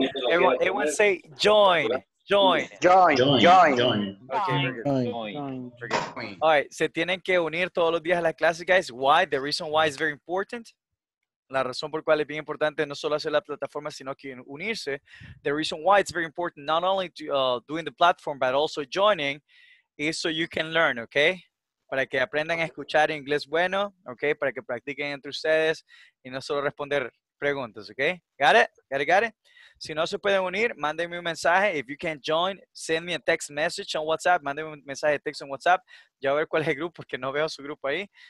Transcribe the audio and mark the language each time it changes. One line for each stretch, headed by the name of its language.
English: Everyone say join. Join. All right.
Spanish: Se tienen que unir todos los días a la clase, guys.
English: Why? The reason why is very important.
Spanish: La razón por cual es bien importante no solo hacer la plataforma, sino que unirse.
English: The reason why it's very important, not only to, doing the platform, but also joining, is so you can learn, okay?
Spanish: Para que aprendan a escuchar inglés bueno, okay? Para que practiquen entre ustedes y no solo responder preguntas, okay?
English: Got it?
Spanish: Si no se pueden unir, mándenme un mensaje.
English: If you can't join, send me a text message on WhatsApp.
Spanish: Mándenme un mensaje de
English: text on WhatsApp.
Spanish: Ya voy a ver cuál es el grupo porque no veo su grupo ahí.